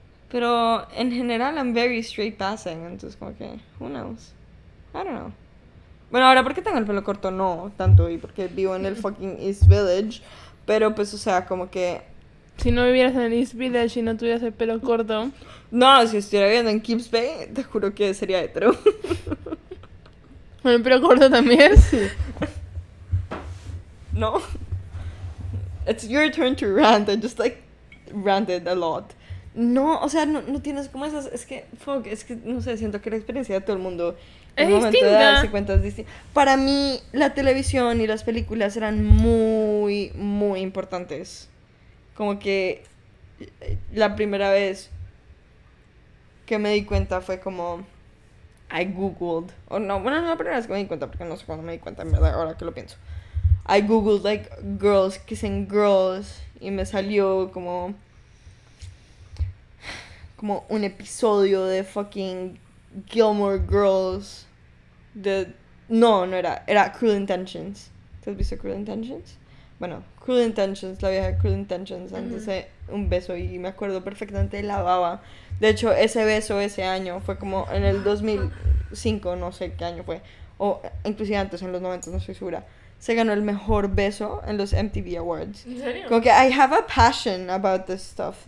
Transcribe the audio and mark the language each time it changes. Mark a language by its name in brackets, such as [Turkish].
[Spanish] Pero en general [English] I'm very straight passing, [Spanish] entonces como que, [English] who knows, I don't know. [Spanish] Bueno, ahora porque tengo el pelo corto no tanto, y porque vivo en el fucking East Village. Pero pues, o sea, como que si no vivieras en East Village y no tuvieras el pelo corto, no, si estuviera viviendo en Kips Bay, te juro que sería hetero. ¿Con el pelo corto también? Sí. No. [English] It's your turn to rant. I just like ranted a lot. [Spanish] No, o sea, no tienes como esas... Es que, fuck, es que, no sé, siento que la experiencia de todo el mundo... Es distinta. De darse cuenta es distinta. Para mí, la televisión y las películas eran muy, muy importantes. Como que la primera vez que me di cuenta fue como... [English] I googled. [Spanish] O no, bueno, no la primera vez que me di cuenta, porque no sé cuándo me di cuenta, en verdad, ahora que lo pienso. [English] I googled, like, girls kissing girls, [Spanish] y me salió como... Como un episodio de fucking Gilmore Girls. De... No era Cruel Intentions. ¿Te has visto Cruel Intentions? Bueno, Cruel Intentions, la vieja Cruel Intentions. Entonces, un beso y me acuerdo perfectamente de la baba. De hecho, ese beso ese año fue como en el 2005, no sé qué año fue. O inclusive antes, en los 90, no estoy segura. Se ganó el mejor beso en los MTV Awards. ¿En serio? Como que [English] I have a passion about this stuff.